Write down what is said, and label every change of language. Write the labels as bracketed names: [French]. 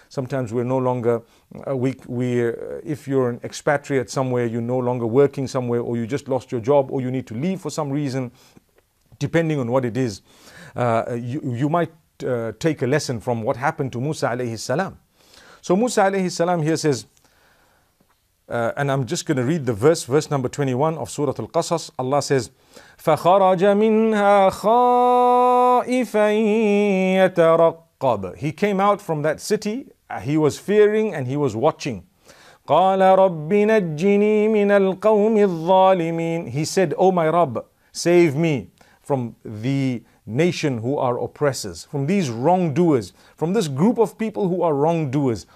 [English] Sometimes we're no longer, if you're an expatriate somewhere, you're no longer working somewhere, or you just lost your job, or you need to leave for some reason, depending on what it is. You might take a lesson from what happened to Musa alayhi salam. So Musa alayhi salam here says, and I'm just going to read the verse number 21 of Surah Al-Qasas. Allah says, [Arabic] فَخَرَجَ مِنْهَا خَائِفًا يَتَرَقَّبَ. [English] He came out from that city. He was fearing and he was watching. [Arabic] قَالَ رَبِّ نَجِّنِي مِنَ الْقَوْمِ الظَّالِمِينَ. [English] He said, oh my Rabb, save me from the nation who are oppressors, from these wrongdoers, from this group of people who are wrongdoers.